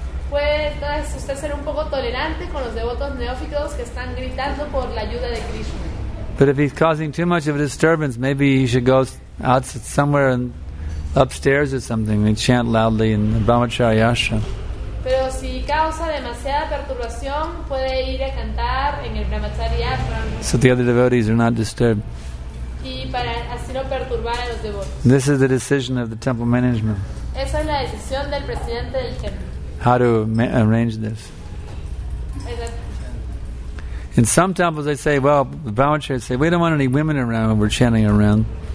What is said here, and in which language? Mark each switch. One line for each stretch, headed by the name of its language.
Spanish: Puedes usted ser un poco tolerante con los devotos neófitos que están gritando por la ayuda de Krishna.
English: But if he's causing too much of a disturbance, maybe he should go out somewhere and upstairs or something and chant loudly in the Brahmacharya Ashram.
Spanish: Pero si causa demasiada perturbación, puede ir a cantar en el Brahmacharya Ashram.
English: So the other devotees are not disturbed.
Spanish: Y para así no perturbar a los devotos.
English: This is the decision of the temple management.
Spanish: Esa es la decisión del presidente del templo.
English: How to arrange this. In some temples they say, well, the Brahmacharis say, we don't want any women around when we're chanting around.